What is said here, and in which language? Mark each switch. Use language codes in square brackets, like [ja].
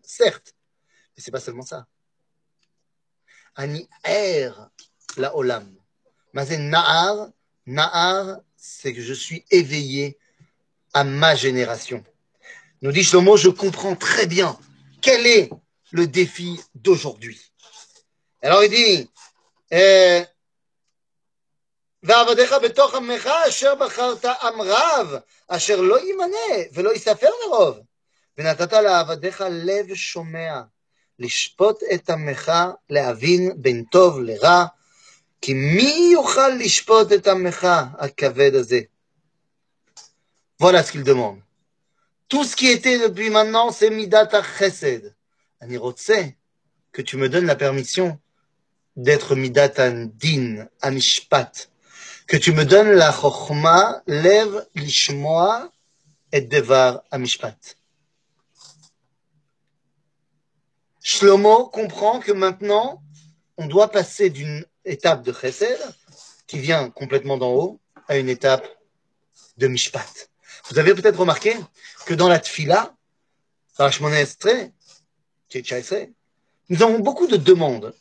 [fr] Certes, mais c'est pas seulement ça. Aninar la Olam. Mazen Naar. Naar, c'est que je suis éveillé à ma génération. Nous dit Shlomo, je comprends très bien quel est le défi d'aujourd'hui. Alors il dit. [he] ועבדיך בתוך עמך אשר בחרת עם רב אשר לא יימנה ולא יספר לרוב ונתת לעבדיך לב שומע לשפוט את עמך להבין בין טוב לרע כי מי יוכל לשפוט את עמך הכבד הזה [fr] voilà ce qu'il demande tout ce qui était depuis maintenant c'est [he] מידת החסד אני רוצה [fr] que tu me donnes la permission d'être midat din amishpat, que tu me donnes la chokhma lev lishmoa et devar amishpat. Shlomo comprend que maintenant, on doit passer d'une étape de chesed, qui vient complètement d'en haut, à une étape de mishpat. Vous avez peut-être remarqué que dans la tfila, nous avons beaucoup de demandes.